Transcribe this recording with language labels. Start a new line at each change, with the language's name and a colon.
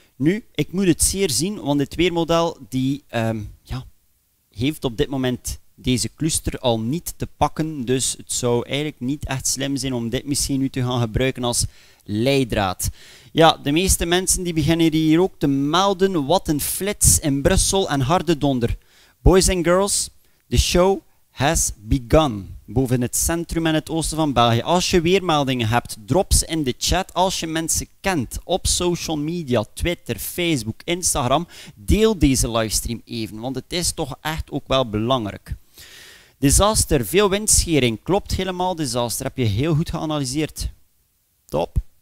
Dutch: Nu, ik moet het zeer zien, want dit weermodel die, heeft op dit moment deze cluster al niet te pakken, dus het zou eigenlijk niet echt slim zijn om dit misschien nu te gaan gebruiken als leidraad. Ja, de meeste mensen die beginnen hier ook te melden, wat een flits in Brussel en harde donder.
English: Boys and girls, the show has begun.
Dutch: Boven het centrum en het oosten van België. Als je weermeldingen hebt, drop ze in de chat. Als je mensen kent op social media, Twitter, Facebook, Instagram, deel deze livestream even, want het is toch echt ook wel belangrijk. Disaster, veel windschering. Klopt helemaal, disaster. Heb je heel goed geanalyseerd. Top.